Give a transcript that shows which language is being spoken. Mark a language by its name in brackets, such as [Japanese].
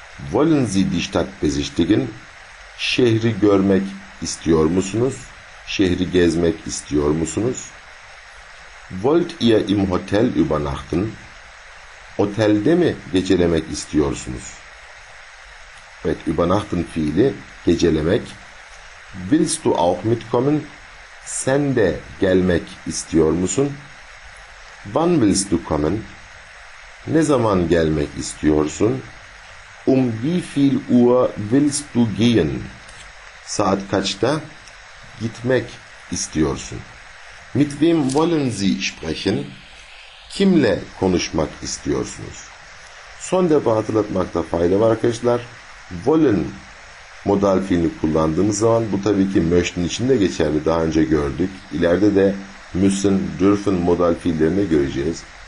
[German] Wollen Sie die Stadt besichtigen? [Turkish] Şehri görmek istiyor musunuz? Şehri gezmek istiyor musunuz? [German] Wollt ihr im Hotel übernachten? [Turkish] Otelde mi gecelemek istiyorsunuz? Evet, übernachten fiili gecelemek. [German] Willst du auch mitkommen? [Turkish] Sen de gelmek istiyor musun? [German] Wann willst du kommen? [Turkish] Ne zaman gelmek istiyorsun? [German] Wie viel Uhr willst du gehen? [Turkish] Saat kaçta gitmek istiyorsun? [German] Mit wem wollen Sie sprechen? [Turkish] Kimle konuşmak istiyorsunuz? Son defa hatırlatmakta fayda var arkadaşlar. Wollen modal fiilini kullandığımız zaman bu tabii ki möchten için de geçerli. Daha önce gördük. İleride de müssen, dürfen modal fiillerini göreceğiz.